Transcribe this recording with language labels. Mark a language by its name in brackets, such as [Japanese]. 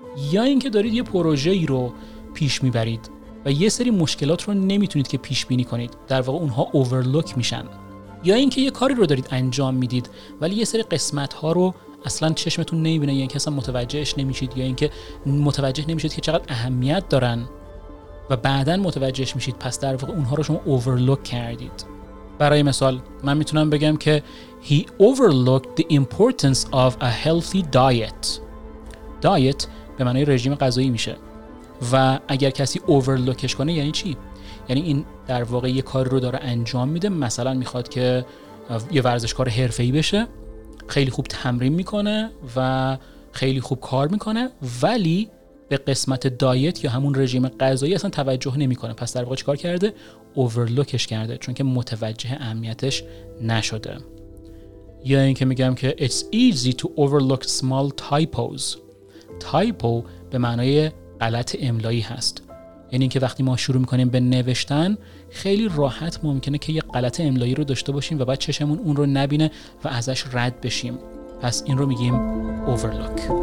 [Persian] یا اینکه دارید یه پروژه‌ای رو پیش میبرید و یه سری مشکلات رو نمیتونید که پیش بینی کنید، در واقع اونها overlook میشن. یا اینکه یه کاری رو دارید انجام میدید ولی یه سری قسمت‌ها رو اصلا چشمتون نمیبینه، یا اینکه اصلا متوجهش نمیشید، یا اینکه متوجه نمیشید که چقدر اهمیت دارن و بعداً متوجهش میشید، پس در واقع اونها رو شما overlook کردید. برای مثال من میتونم بگم که [English] he overlooked the importance of a healthy diet. [Persian] diet به معنی رژیم غذایی میشه و اگر کسی overlookش کنه یعنی چی؟ یعنی این در واقع یه کار رو داره انجام میده، مثلا میخواد که یه ورزشکار حرفه‌ای بشه، خیلی خوب تمرین میکنه و خیلی خوب کار میکنه ولی به قسمت دایت یا همون رژیم غذایی اصلا توجه نمیکنه، پس در واقع چیکار کرده؟ overlookش کرده، چون که متوجه اهمیتش نشده. یا اینکه میگم که [English] it's easy to overlook small typos. [Persian] typo به معنای غلط املایی هست، یعنی اینکه وقتی ما شروع میکنیم به نوشتن خیلی راحت ممکنه که یه غلط املایی رو داشته باشیم و بعد چشمون اون رو نبینه و ازش رد بشیم، پس این رو میگیم overlook.